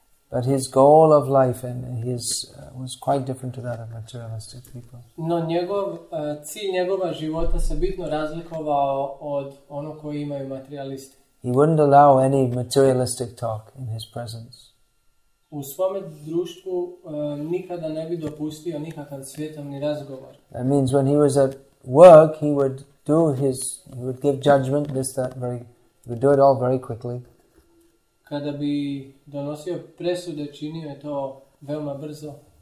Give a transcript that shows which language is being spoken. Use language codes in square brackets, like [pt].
[en] But his goal of life and his was quite different to that of materialistic people. [hr] No, njegov cilj njegova života se bitno razlikovao od onog koji imaju materialisti. [en] He wouldn't allow any materialistic talk in his presence. [hr] U svome društvu nikada ne bi dopustio nikakav svjetovni razgovor. [en] That means when he was at work, he would do his, he would give judgment, this, that, very, he would do it all very quickly. [hr] Kada bi donosio presude, činio je to veoma brzo.